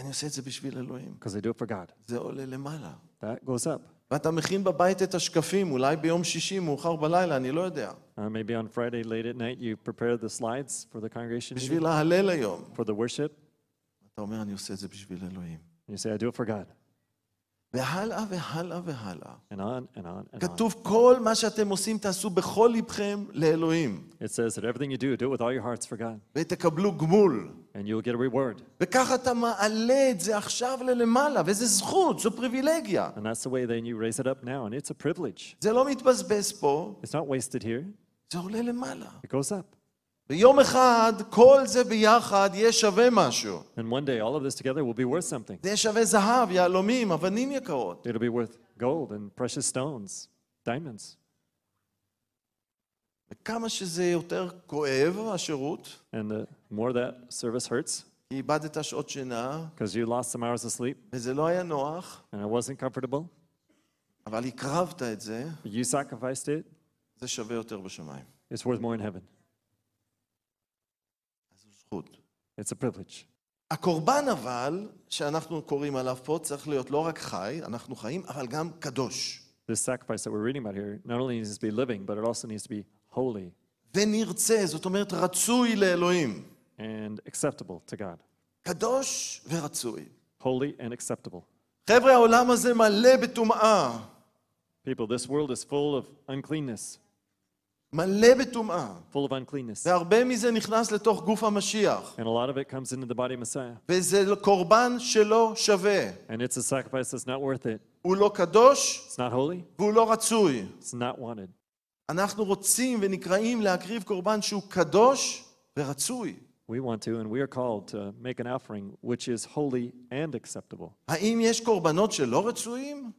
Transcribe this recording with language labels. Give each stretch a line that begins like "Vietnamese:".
Hebrew: אני עושה את זה בשביל אלוהים.
English: Because I do it for God.
Hebrew: זה עולה למעלה.
English: That goes up.
Hebrew: ואתה מכין בבית את השקפים, אולי ביום שישי, מאוחר בלילה, אני לא יודע.
English: Maybe on Friday, late at night, you prepare the slides for the congregation.
Hebrew: בשביל ההלל היום.
English: For the worship.
Hebrew: אתה אומר, אני עושה את זה בשביל אלוהים.
English: You say, I do it for God.
Hebrew: והלאה והלאה והלאה.
English: And on and on and on.
Hebrew: כתוב, כל מה שאתם עושים, תעשו בכל ליבכם לאלוהים.
English: It says that everything you do, do it with all your hearts for God.
Hebrew: ותקבלו גמול.
English: And you'll get a reward.
Hebrew: וכך אתה מעלה את זה עכשיו ללמעלה, וזה זכות, זו פריבילגיה.
English: And that's the way then you raise it up now, and it's a privilege.
Hebrew: זה לא מתבזבז פה.
English: It's not wasted here.
Hebrew: זה עולה למעלה.
English: It goes up.
Hebrew: ביום אחד, כל זה ביחד יהיה שווה משהו.
English: And one day, all of this together will be worth something.
Hebrew: זה שווה זהב, יעלומים, אבנים יקרות.
English: It'll be worth gold and precious stones, diamonds.
Hebrew: וכמה שזה יותר כואב, השירות.
English: And the more that service hurts.
Hebrew: איבדת שעות שינה.
English: Because you lost some hours of sleep.
Hebrew: וזה לא היה נוח.
English: And it wasn't comfortable.
Hebrew: אבל הקרבת את זה.
English: You sacrificed it.
Hebrew: זה שווה יותר בשמיים.
English: It's worth more in heaven. It's a privilege.
Hebrew: הקורבן אבל שאנחנו קוראים עליו פה צריך להיות לא רק חי, אנחנו חיים, אבל גם קדוש.
English: The sacrifice that we're reading about here not only needs to be living, but it also needs to be holy.
Hebrew: ונרצה, זאת אומרת רצוי לאלוהים.
English: And acceptable to God.
Hebrew: קדוש ורצוי.
English: Holy and acceptable.
Hebrew: חבר'ה, העולם הזה מלא בטומאה.
English: People, this world is full of uncleanness.
Hebrew: מלא בטומאה.
English: Full of uncleanness.
Hebrew: והרבה מזה נכנס לתוך גוף המשיח.
English: And a lot of it comes into the body of Messiah.
Hebrew: וזה קורבן שלא שווה.
English: And it's a sacrifice that's not worth it.
Hebrew: הוא לא קדוש.
English: It's not holy.
Hebrew: והוא לא רצוי.
English: It's not wanted.
Hebrew: אנחנו רוצים ונקראים להקריב קורבן שהוא קדוש ורצוי.
English: We want to and we are called to make an offering which is holy and acceptable.
Hebrew: האם יש קורבנות שלא רצויים?